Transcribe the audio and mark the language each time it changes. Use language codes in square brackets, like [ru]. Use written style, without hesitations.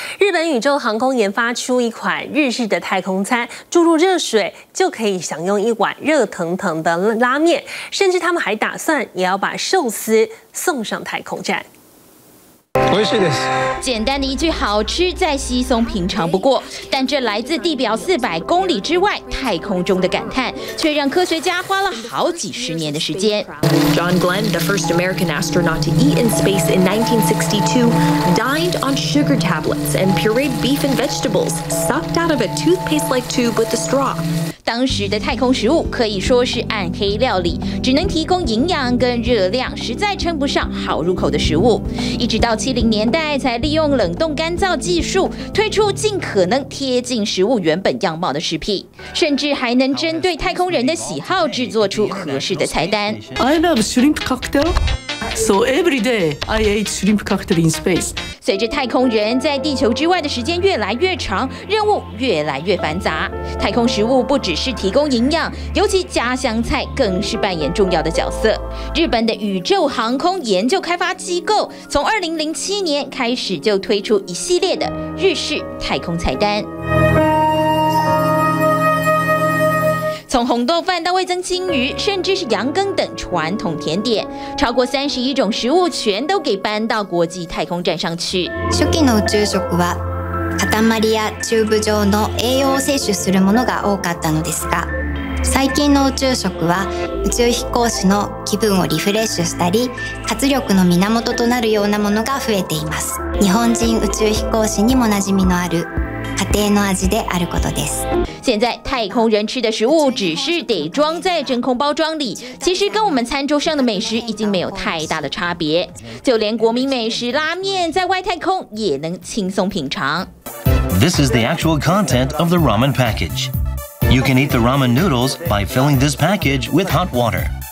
[zh] 日本宇宙航空研发出一款日式的太空餐，注入热水就可以享用一碗热腾腾的拉面，甚至他们还打算也要把寿司送上太空站。 [ja] 美味しいです。 [zh] 简单的一句好吃，再稀松平常不过。但这来自地表400公里之外太空中的感叹，却让科学家花了好几十年的时间。 [en] John Glenn, the first American astronaut to eat in space in 1962, dined on sugar tablets and pureed beef and vegetables sucked out of a toothpaste-like tube with a straw. [zh] 当时的太空食物可以说是暗黑料理，只能提供营养跟热量，实在称不上好入口的食物。一直到70年代才利用冷冻干燥技术推出尽可能贴近食物原本样貌的食品，甚至还能针对太空人的喜好制作出合适的菜单。 [en] I love shrimp cocktail. So every day I ate shrimp cocktail in space. [zh] 随着太空人在地球之外的时间越来越长，任务越来越繁杂，太空食物不只是提供营养，尤其家乡菜更是扮演重要的角色。日本的宇宙航空研究开发机构从2007年开始就推出一系列的日式太空菜单。从红豆饭到味噌青鱼，甚至是羊羹等传统甜点，超过31种食物全都给搬到国际太空站上去。 [ja] 初期の宇宙食は塊やチューブ状の栄養を摂取するものが多かったのですが、最近の宇宙食は宇宙飛行士の気分をリフレッシュしたり、活力の源となるようなものが増えています。日本人宇宙飛行士にも馴染みのある。家庭の味であることです。 [zh] 现在太空人吃的食物只是得装在真空包装里，其实跟我们餐桌上的美食已经没有太大的差别。就连国民美食拉面，在外太空也能轻松品尝。 [en] This is the actual content of the ramen package. You can eat the ramen noodles by filling this package with hot water.